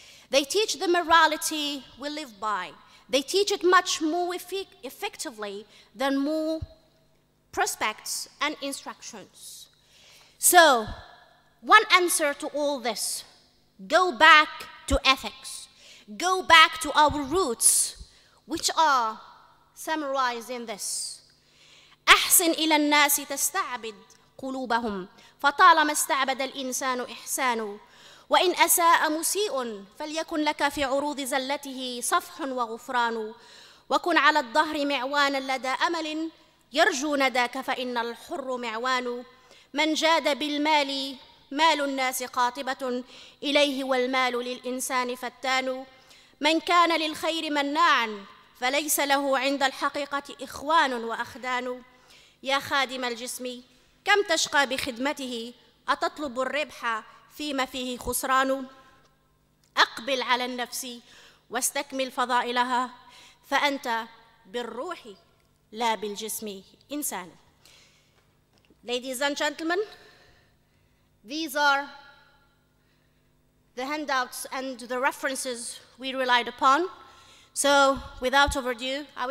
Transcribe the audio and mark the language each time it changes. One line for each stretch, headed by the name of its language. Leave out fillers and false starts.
English: They teach the morality we live by. They teach it much more effectively than more prospects and instructions. So, one answer to all this, go back to ethics. Go back to our roots, which are summarized in this.
Arabic: أحسن إلى الناس تستعبد قلوبهم فطالما استعبد الإنسان إحسانه وإن أساء مسيء فليكن لك في عروض زلته صفح وغفران وكن على الظهر معوانا لدى أمل يرجو نداك فإن الحر معوان من جاد بالمال مال الناس قاطبة إليه والمال للإنسان فتان من كان للخير مناعا فليس له عند الحقيقة إخوان وأخدان يا خادم الجسم كم تشقى بخدمته أتطلب الربح فيما فيه خسران أقبل على النفس واستكمل فضائلها فأنت بالروح لا بالجسم إنسان.
English: Ladies and gentlemen, these are the handouts and the references we relied upon. So without overdue, I would say thank you very much for your attention.